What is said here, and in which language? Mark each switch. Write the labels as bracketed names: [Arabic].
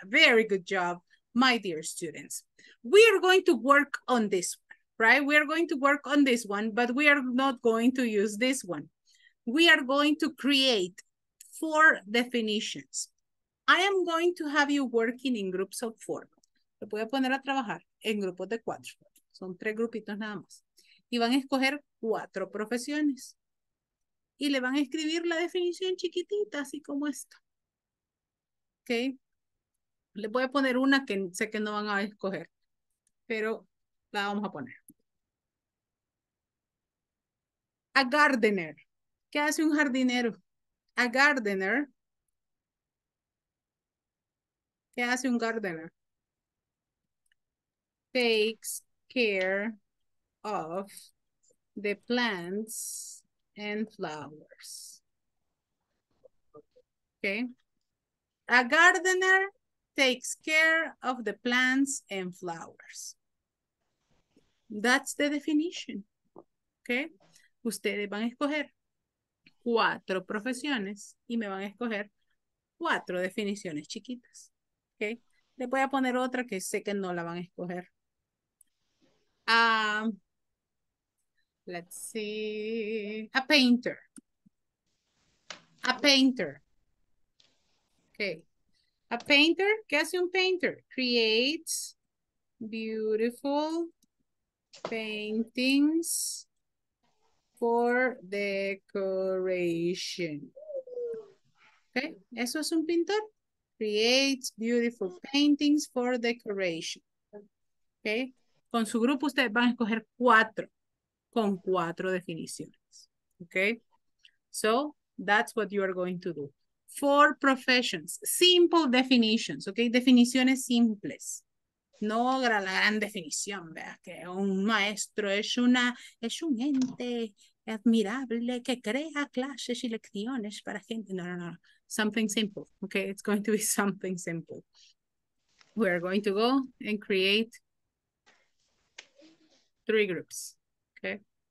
[English] Very good job, my dear students. We are going to work on this one, right? We are going to work on this one, but we are not going to use this one. We are going to create 4 definitions. I am going to have you working in groups of 4. [Spanish] Lo voy a poner a trabajar en grupos de 4. Son 3 grupitos nada más. Y van a escoger 4 profesiones. Y le van a escribir la definición chiquitita, así como esto. ¿Ok? Le voy a poner una que sé que no van a escoger. Pero la vamos a poner. [English] A gardener. [Spanish] ¿Qué hace un jardinero? A gardener. ¿Qué hace un gardener? [English] Takes care of the plants and flowers. Okay. A gardener takes care of the plants and flowers. That's the definition. Okay. [Spanish] Ustedes van a escoger 4 profesiones y me van a escoger 4 definiciones chiquitas. Okay. Les voy a poner otra que sé que no la van a escoger. [English] Let's see, a painter, okay, a painter, [Spanish] ¿qué hace un [English] painter? Creates beautiful paintings for decoration. Okay, [Spanish] eso es un pintor. [English] Creates beautiful paintings for decoration. [Spanish] Okay, con su grupo ustedes van a escoger cuatro, con cuatro definiciones. [English] Okay, so that's what you are going to do. Four professions, simple definitions, okay, [Spanish] definiciones simples. No la gran definición, vea, que un maestro es una, es un ente admirable que crea clases y lecciones para gente. [English] No, no, no, something simple, okay, it's going to be something simple. We are going to go and create three groups, okay?